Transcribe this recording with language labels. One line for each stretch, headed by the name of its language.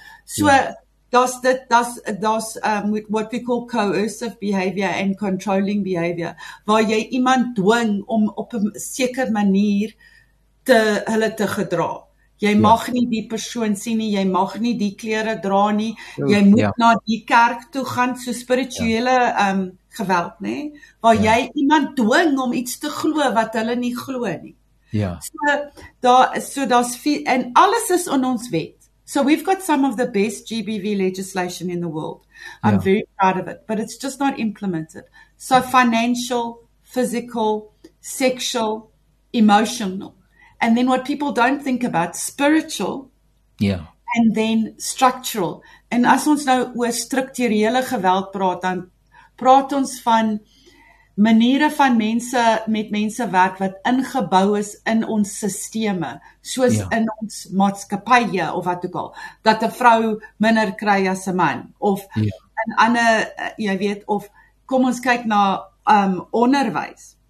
Afrikaans: So, daar's dit, daar's
English: what we call coercive behavior and controlling behavior,
Afrikaans: waar jy iemand dwing om op 'n sekere manier te hulle te gedra. Jy mag nie die persoon sien nie, jy mag nie die klere dra nie, jy moet na die kerk toe gaan, so spirituele geweld, nê? Waar jy iemand dwing om iets te glo wat hulle nie glo nie. Ja. So daar's en alles is in ons wet.
English: So we've got some of the best GBV legislation in the world. I'm very proud of it, but it's just not implemented. So financial, physical, sexual, emotional. And then what people don't think about, spiritual. Yeah. And then structural.
Afrikaans: En as ons nou oor strukturele geweld praat, dan praat ons van maniere van mense met mense werk wat ingebou is in ons sisteme, soos in ons maatskappye of wat ook al, dat 'n vrou minder kry as 'n man of 'n ander, jy weet, of kom ons kyk na onderwys.